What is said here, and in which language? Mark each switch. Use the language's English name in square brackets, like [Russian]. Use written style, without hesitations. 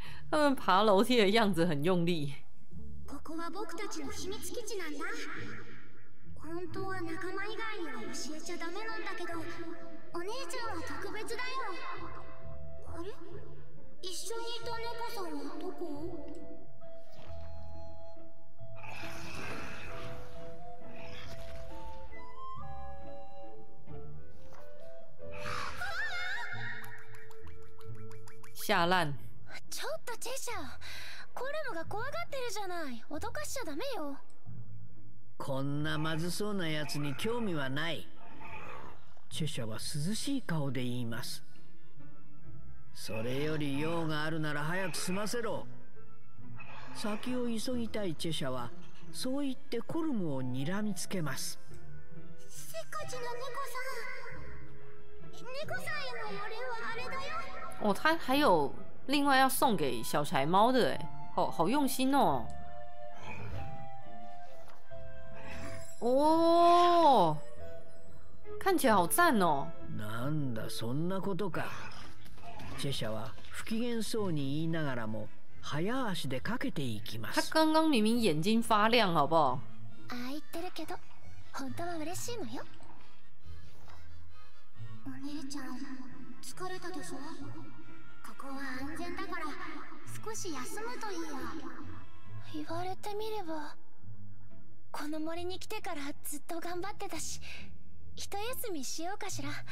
[Chinese] 他们爬楼梯的样子很用力。 [Japanese] ここは僕たちの秘密基地なんだ。本当は仲間以外には教えちゃダメなんだけど、お姉ちゃんは特別だよ。あれ？一緒にいた猫さんはどこ？ [Chinese] 下烂。 [Japanese] ちょっとチェシャー、コルムが怖がってるじゃない。脅かしちゃダメよ。こんなまずそうなやつに興味はない。チェシャーは涼しい顔で言います。それより用があるなら早く済ませろ。先を急ぎたいチェシャーはそう言ってコルムを睨みつけます。せっかちな猫さん。猫さんへのお礼はあれだよ。 [Chinese] 哦，他还有另外要送给小柴猫的哎，好好用心哦。哦，看起来好赞哦。 [Japanese] なんだそんなことか。チェシャは不機嫌そうに言いながらも早足でかけていきます。 [Chinese] 他刚刚明明眼睛发亮，好不好？ [Japanese] あ、言ってるけど、本当は嬉しいのよ。お姉ちゃん。疲れたでしょ。ここは安全だから少し休むといいよ。言われてみればこの森に来てからずっと頑張ってたし、一休みしようかしら。